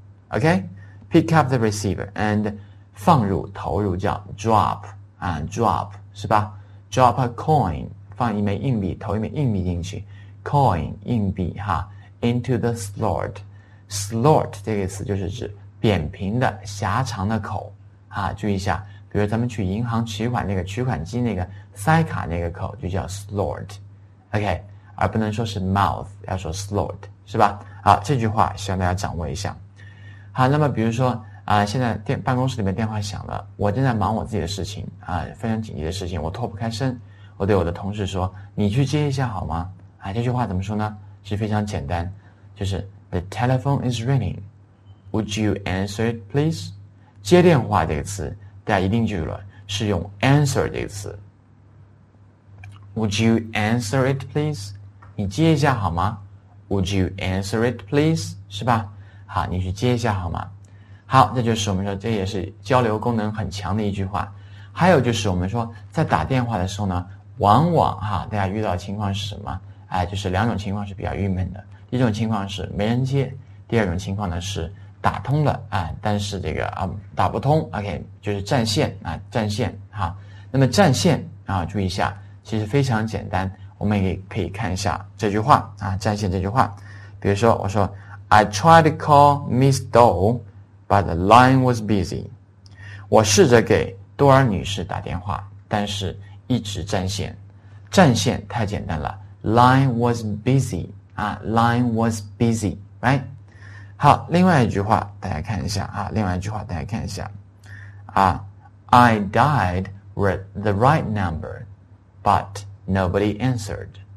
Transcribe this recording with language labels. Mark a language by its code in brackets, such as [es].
[zh] OK， [en] pick up the receiver and [zh] 放入投入叫 drop， and drop 是吧， [en] drop a coin， [zh] 放一枚硬币，投一枚硬币进去， coin 硬币哈， [en] into the slot， [zh] slot 这个词就是指扁平的狭长的口啊，注意一下，比如咱们去银行取款，那个取款机那个塞卡那个口就叫 slot， OK， 而不能说是 mouth， 要说 slot， 是吧？好，这句话希望大家掌握一下。好，那么比如说啊，现在办公室里面电话响了，我正在忙我自己的事情啊，非常紧急的事情，我脱不开身，我对我的同事说，你去接一下好吗？啊，这句话怎么说呢？是非常简单，就是 [en] the telephone is ringing， would you answer it please？ [zh] 接电话这个词大家一定记住了，是用 answer 这个词， [en] Would you answer it please， [zh] 你接一下好吗， Would you answer it please， 是吧，好，你去接一下好吗。好，这就是我们说这也是交流功能很强的一句话。还有就是我们说在打电话的时候呢，往往哈，大家遇到的情况是什么，哎，就是两种情况是比较郁闷的，一种情况是没人接，第二种情况呢是打通了啊，但是这个啊打不通 ，OK， 就是占线啊，占线哈。那么占线啊，注意一下，其实非常简单，我们也可以看一下这句话啊，占线这句话。比如说，我说 [en] I tried to call Miss Doe, but the line was busy。 [zh] 我试着给多尔女士打电话，但是一直占线。占线太简单了 ， [en] line was busy [zh] 啊 ，line was busy， right？好，另外一句话大家看一下啊，另外一句话大家看一下啊， [en] I dialed the right number but nobody answered。